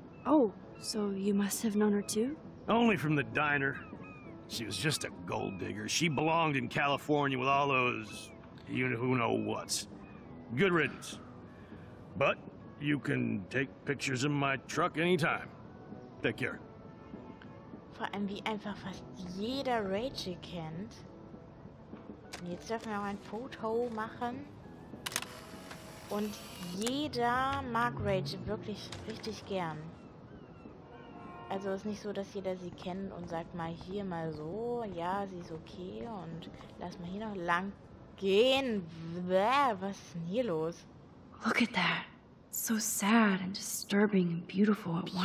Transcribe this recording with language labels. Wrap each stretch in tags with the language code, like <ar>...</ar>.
<en>Oh, so you must have known her too? Only from the diner. She was just a gold digger. She belonged in California with all those you who know what's. Good riddance. But you can take pictures of my truck anytime. Take care.</en> <de>Vor allem, wie einfach fast jeder Rachel kennt. Und jetzt dürfen wir auch ein Foto machen. Und jeder mag Rachel wirklich richtig gern. Also ist nicht so, dass jeder sie kennt und sagt mal hier mal so, ja, sie ist okay und lass mal hier noch lang gehen. Bäh, was ist denn hier los?</de> <en>Look at that. So sad and disturbing and beautiful at once.</en>